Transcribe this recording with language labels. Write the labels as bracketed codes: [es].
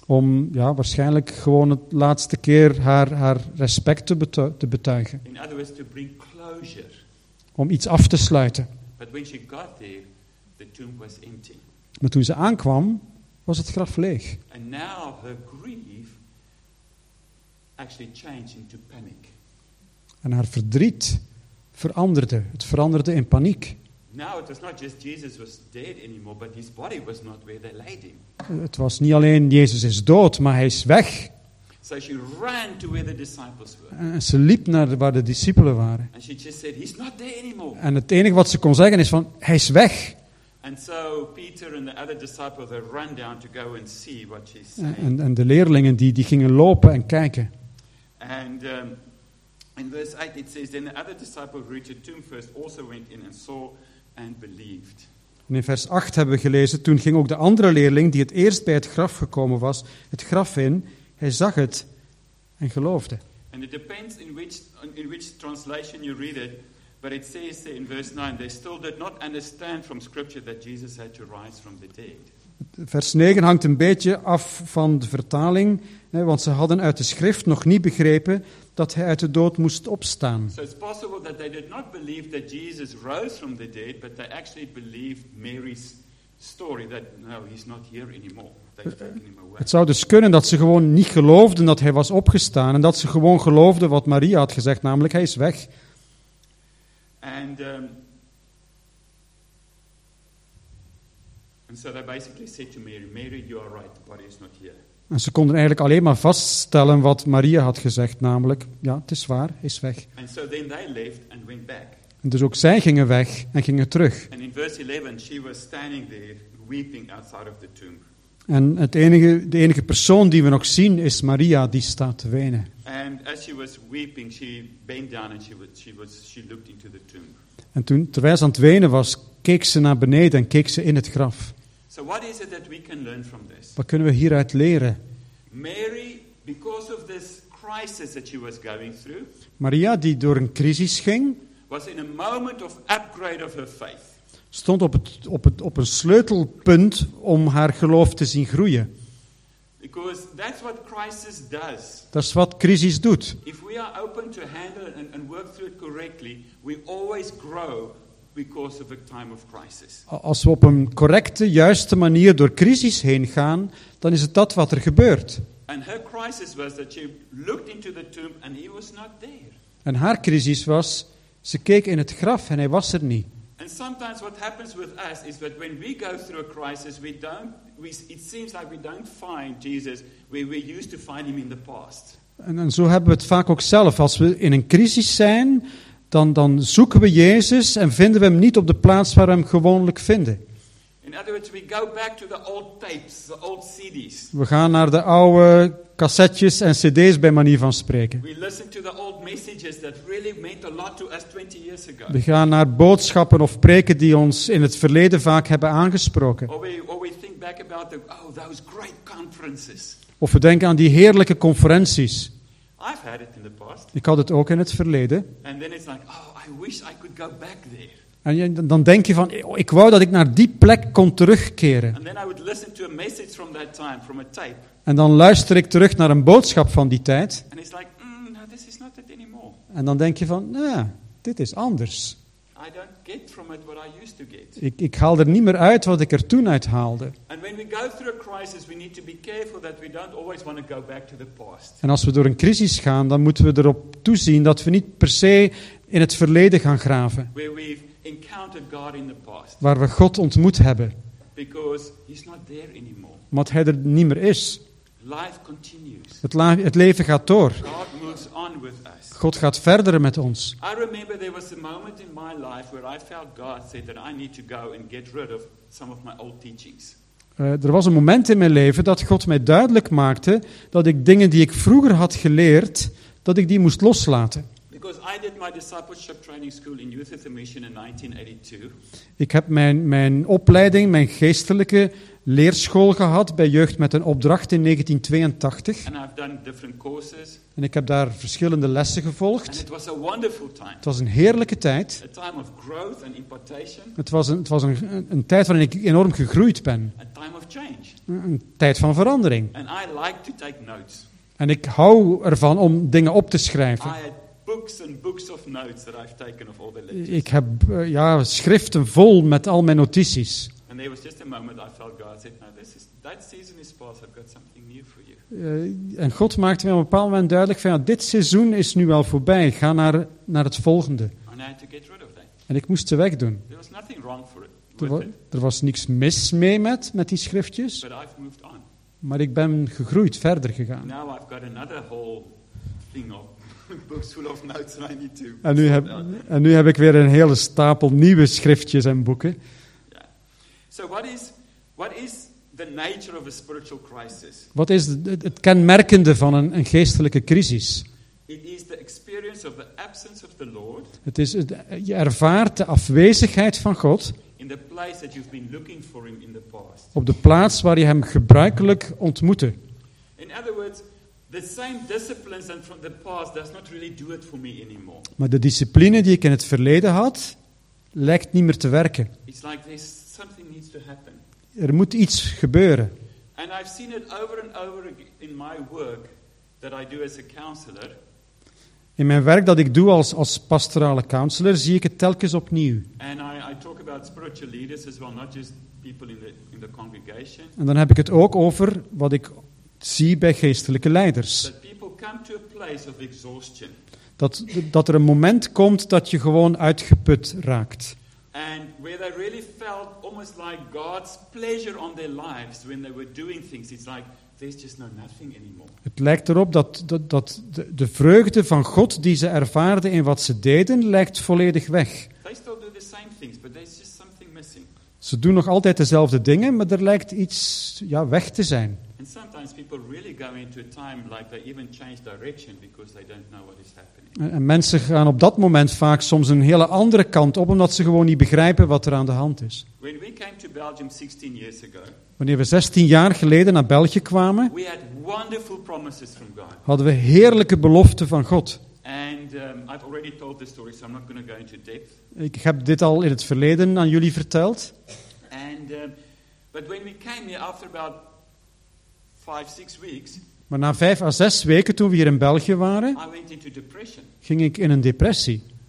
[nl] Om waarschijnlijk gewoon het laatste keer haar respect te betuigen. [en] In other words, to bring closure. [nl] Om iets af te sluiten. [en] But when she got there, the tomb was empty. [nl] Maar toen ze aankwam, was het graf leeg. [en] And now her grief actually changed into panic. [nl] En haar verdriet veranderde. Het veranderde in paniek. [en] Now it was not just Jesus was dead anymore, but his body was not where they laid him. [nl] Het was niet alleen Jezus is dood, maar hij is weg. [en] So she ran to where the disciples were. [nl] En ze liep naar waar de discipelen waren. [en] And she just said, he's not there anymore. [nl] En het enige wat ze kon zeggen is van, hij is weg. [en] And so Peter and the other disciples they run down to go and see what she's saying. [nl] En de leerlingen die gingen lopen en kijken. [en] And in verse 8 it says, then the other disciple who reached the tomb first also went in and saw and believed. [nl] En in vers 8 hebben we gelezen, toen ging ook de andere leerling die het eerst bij het graf gekomen was, het graf in. Hij zag het en geloofde. [en] And it depends in which translation you read it. But it says there in verse 9, they still did not understand from scripture that Jesus had to rise from the dead. [nl] Vers 9 hangt een beetje af van de vertaling, hè, want ze hadden uit de schrift nog niet begrepen dat hij uit de dood moest opstaan. [en] So it's possible that they did not believe that Jesus rose from the dead, but they actually believed Mary's story that no, he's not here anymore. [nl] Het zou dus kunnen dat ze gewoon niet geloofden dat hij was opgestaan en dat ze gewoon geloofden wat Maria had gezegd, namelijk hij is weg. [en] And so they basically said to Mary, Mary, you are right, the body is not here. [nl] En ze konden eigenlijk alleen maar vaststellen wat Maria had gezegd, namelijk, ja, het is waar, hij is weg. [en] And so then they left and went back. [nl] En dus ook zij gingen weg en gingen terug. [en] And in verse 11, she was standing there weeping outside of the tomb. [nl] En de enige persoon die we nog zien is Maria, die staat te wenen. [en] And as she was weeping, she bent down and she looked into the tomb. [nl] En toen, terwijl ze aan het wenen was, keek ze naar beneden en keek ze in het graf. [en] So what is it that we can learn from this? [nl] Wat kunnen we hieruit leren? [en] Mary, because of this crisis that she was going through, [nl] Maria, die door een crisis ging, [en] was in a moment of upgrade of her faith. [nl] Stond op een sleutelpunt om haar geloof te zien groeien. [en] Because that's what crisis does. [nl] Dat is wat crisis doet. [en] If we are open to handle it and work through it correctly, we always grow because of a time of crisis. [nl] Als we op een correcte, juiste manier door crisis heen gaan, dan is het dat wat er gebeurt. [en] And her crisis was that she looked into the tomb and he was not there. [nl] En haar crisis was, ze keek in het graf en hij was er niet. [en] And sometimes what happens with us is that when we go through a crisis, it seems like we don't find Jesus where we used to find him in the past. [nl] En zo hebben we het vaak ook zelf. Als we in een crisis zijn, dan zoeken we Jezus en vinden we hem niet op de plaats waar we hem gewoonlijk vinden. [en] In other words, we go back to the old tapes, the old CDs. [nl] We gaan naar de oude cassettes en CDs bij manier van spreken. [en] We listen to the old messages that really meant a lot to us 20 years ago. [nl] We gaan naar boodschappen of preken die ons in het verleden vaak hebben aangesproken. [en] Or we think back about those great conferences. [nl] Of we denken aan die heerlijke conferenties. [en] I've had it in the past. [nl] Ik had het ook in het verleden. [en] And then it's like, oh, I wish I could go back there. [nl] En dan denk je van, ik wou dat ik naar die plek kon terugkeren. [en] And then I would listen to a message from that time, from a tape. [nl] En dan luister ik terug naar een boodschap van die tijd. [en] And it's like, no, this is not it anymore. [nl] En dan denk je van, nah, dit is anders. [en] I don't get from it what I used to get. [nl] Ik haal er niet meer uit wat ik er toen uit haalde. [en] And when we go through a crisis, we need to be careful that we don't always want to go back to the past. [nl] En als we door een crisis gaan, dan moeten we erop toezien dat we niet per se in het verleden gaan graven. [en] Where we've encountered God in the past. [nl] Waar we God ontmoet hebben. [en] Because he's not there anymore. [nl] Omdat hij er niet meer is. [en] Life continues. [nl] Het leven gaat door. [en] God moves on with us. [nl] God gaat verder met ons. [en] I remember there was a moment in my life where I felt God said that I need to go and get rid of some of my old teachings. [nl] Er was een moment in mijn leven dat God mij duidelijk maakte dat ik dingen die ik vroeger had geleerd, dat ik die moest loslaten. [en] Because I did my discipleship training school in Youth of the Mission in 1982. [nl] Ik heb mijn opleiding, mijn geestelijke leerschool gehad bij Jeugd met een opdracht in 1982. [en] And I've done different courses. [nl] En ik heb daar verschillende lessen gevolgd. [en] And it was a wonderful time. [nl] Het was een heerlijke tijd. [en] A time of growth and impartation. [nl] Het was een tijd waarin ik enorm gegroeid ben. [en] A time of change. [nl] Een tijd van verandering. [en] And I like to take notes. [nl] En ik hou ervan om dingen op te schrijven. [en] Books and books of notes that I've taken of all the lectures. [nl] Ik heb schriften vol met al mijn notities. [en] And there was just a moment I felt God said, "No, this is that season is past. I've got something new for you." [nl] En God maakte me op een bepaald moment duidelijk van, ja, dit seizoen is nu wel voorbij. Ga naar het volgende. [en] And I had to get rid of that. [nl] En ik moest ze wegdoen. [en] There was nothing wrong for it. [nl] Er was niks mis mee met die schriftjes. [en] But I've moved on. [nl] Maar ik ben gegroeid, verder gegaan. [en] Now I've got another whole thing of books full of notes that I need to. [nl] En nu heb ik weer een hele stapel nieuwe schriftjes en boeken. [en] Yeah. So what is the nature of a spiritual crisis? [nl] Wat is het kenmerkende van een geestelijke crisis? [en] It is the experience of the absence of the Lord. [nl] Het is je ervaart de afwezigheid van God. [en] In the place that you've been looking for him in the past. [nl] Op de plaats waar je hem gebruikelijk ontmoette. [en] In other words, the same disciplines and from the past does not really do it for me anymore. [nl] Maar de discipline die ik in het verleden had, lijkt niet meer te werken. [en] It's like there's something needs to happen. [nl] Er moet iets gebeuren. [en] And I've seen it over and over in my work that I do as a counselor. [nl] In mijn werk dat ik doe als pastorale counselor, zie ik het telkens opnieuw. [en] And I talk about spiritual leaders as well, not just people in the congregation. [nl] En dan heb ik het ook over wat ik zie bij geestelijke leiders. [en] That people come to a place of exhaustion. [nl] Dat er een moment komt dat je gewoon uitgeput raakt. [en] And where they really felt almost like God's pleasure on their lives when they were doing things, it's like there's just no nothing anymore. [nl] Het lijkt erop dat de vreugde van God die ze ervaarden in wat ze deden, lijkt volledig weg. [en] They still do the same things, but there's just something missing. [nl] Ze doen nog altijd dezelfde dingen, maar er lijkt iets weg te zijn. [en] And sometimes people really go into a time like they even change direction because they don't know what is happening. [nl] En mensen gaan op dat moment vaak soms een hele andere kant op, omdat ze gewoon niet begrijpen wat er aan de hand is. [en] When we came to Belgium 16 years ago, [nl] wanneer we 16 jaar geleden naar België kwamen, [en] we had wonderful promises from God. [nl] Hadden we heerlijke beloften van God. [en] And I've already told this story, so I'm not going to go into depth. [nl] Ik heb dit al in het verleden aan jullie verteld. [en] And but when we came here after about 5-6 weeks. [nl] Maar na 5 à 6 weken toen we hier in België waren, [en] I went into depression. [nl] Ging ik in een depressie.